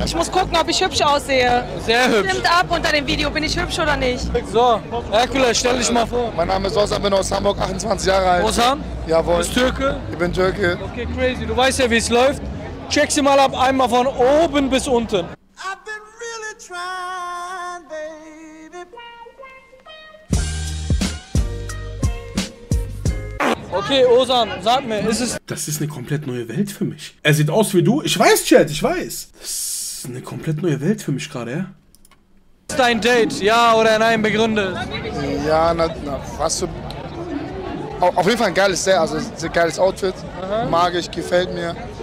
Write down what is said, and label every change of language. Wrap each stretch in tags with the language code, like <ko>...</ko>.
<de>Ich muss gucken, ob ich hübsch aussehe. Sehr hübsch. Stimmt ab unter dem Video, bin ich hübsch oder nicht? So, Herkules, stell dich mal vor. Mein Name ist Ozan, bin aus Hamburg, 28 Jahre alt. Ozan? Jawohl. Bist du Türke? Ich bin Türke. Okay, crazy, du weißt ja, wie es läuft. Check sie mal ab, einmal von oben bis unten.</de> <en>I've been really trying, baby.</en> <de>Okay, Ozan, sag mir, ist es... Das ist eine komplett neue Welt für mich. Er sieht aus wie du. Ich weiß, Chad, ich weiß. Das ist eine komplett neue Welt für mich gerade, ja. Ist dein Date, ja oder nein, begründe. Ja, na was für... Auf jeden Fall ein geiles Set, also ein geiles Outfit. Aha. Mag ich, gefällt mir.</de>